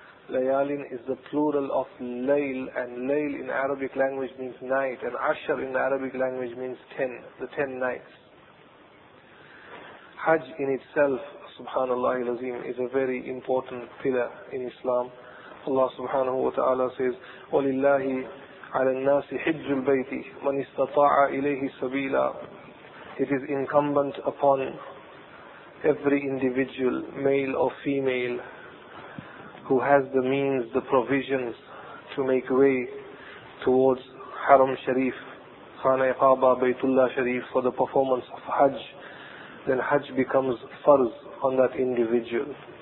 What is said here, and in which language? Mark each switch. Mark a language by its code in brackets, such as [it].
[en] Layalin is the plural of Layl, and Layl in Arabic language means night, and Ashr in Arabic language means 10, the 10 nights. Hajj in itself, subhanallah al-azim, is a very important pillar in Islam. Allah subhanahu wa ta'ala says, [ar] وَلِلَّهِ عَلَى النَّاسِ حِجُّ الْبَيْتِ مَنِ اسْتَطَاعَ إِلَيْهِ سَبِيلًا. [en] It is incumbent upon every individual, male or female, who has the means, the provisions, to make way towards Haram Sharif, Khanah Kaaba, Baytullah Sharif, for the performance of Hajj, then Hajj becomes farz on that individual.